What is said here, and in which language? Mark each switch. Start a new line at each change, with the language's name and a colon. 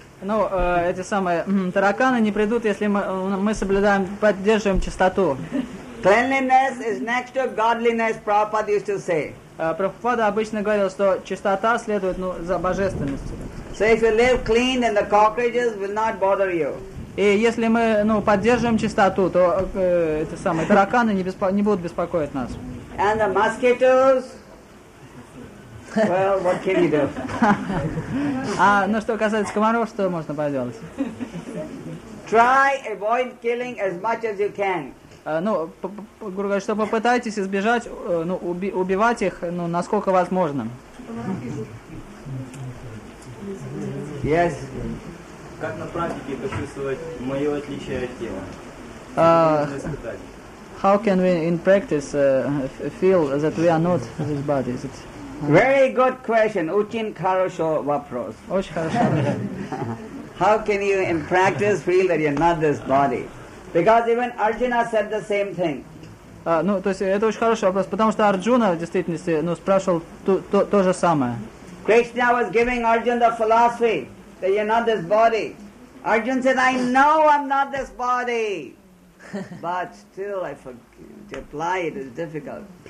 Russian: Ну, эти самые тараканы не придут, если мы соблюдаем, поддерживаем чистоту.
English: Cleanliness is next to godliness, Prabhupada used to say.
Russian: Прабхупада обычно говорил, что чистота следует, ну, за божественностью.
English: So if you live clean, then the cockroaches will not bother you.
Russian: И если мы, ну, поддерживаем чистоту, то эти самые тараканы не будут беспокоить нас.
English: And the mosquitoes. Well, what can you do?
Russian: А, ну, что касается комаров, что можно поделать?
English: Try avoid killing as much as you can.
Russian: Ну, грубо говоря, что попытайтесь избежать, ну, убивать их, ну, насколько возможно.
English: Yes.
Russian: Как на практике почувствовать мое отличие от тела?
English: How can we in practice feel that we are not this body? Is it? Very good question.
Russian: Очень хорошо вопрос. Очень хорошо.
English: How can you in practice feel that you're not this body? Because even Arjuna said the same thing.
Russian: Ну, то есть это очень хороший вопрос, потому что Арджуна в действительности, ну, спрашивал то же самое.
English: Krishna was giving Arjuna the philosophy that you're not this body. Arjuna said, I know I'm not this body. But still I forget to apply it is difficult.